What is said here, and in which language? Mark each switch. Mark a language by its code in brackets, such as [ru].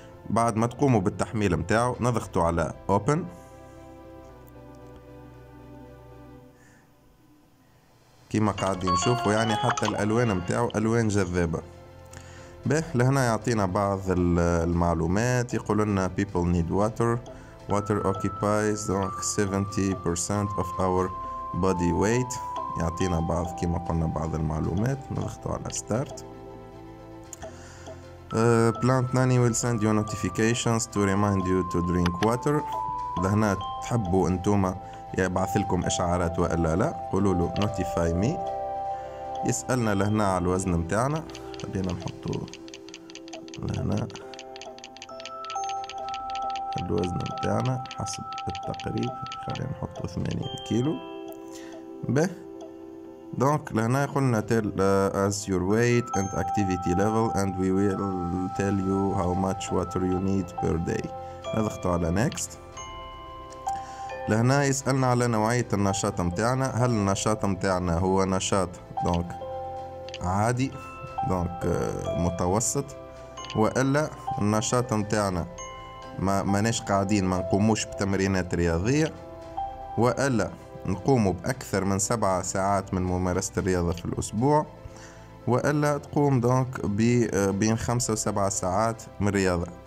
[ar] بعد ما تقوموا بالتحميل متاعو نضغطوا على Open. كما قاعدين نشوفوا يعني حتى الألوان متاعو ألوان جذابة. به لهنا يعطينا بعض المعلومات، يقول لنا [en] people need water. Water occupies 70% of our body weight. [ar] يعطينا بعض كما قلنا بعض المعلومات. نضغطوا على start. [en] Plant Nanny will send you notifications to remind you to drink water. [ar] لهنا تحبوا انتوما يبعث لكم اشعارات والا لا، قولوا له [en] notify me. [ar] يسالنا لهنا على الوزن متاعنا، خلينا نحطو لهنا الوزن متاعنا حسب التقريب، خلينا نحطو 80 كيلو. به دونك لهنا يقولنا [en] tell us your weight and activity level and we will tell you how much water you need per day. [ar] نضغط على next. لهنا يسألنا على نوعية النشاط متاعنا، هل النشاط متاعنا هو نشاط دونك عادي دونك متوسط، وإلا النشاط متاعنا ما ماناش قاعدين ما نقوموش بتمرينات رياضية، وإلا نقوم بأكثر من 7 ساعات من ممارسة الرياضة في الأسبوع، وإلا تقوم دونك بين 5 و7 ساعات من الرياضة.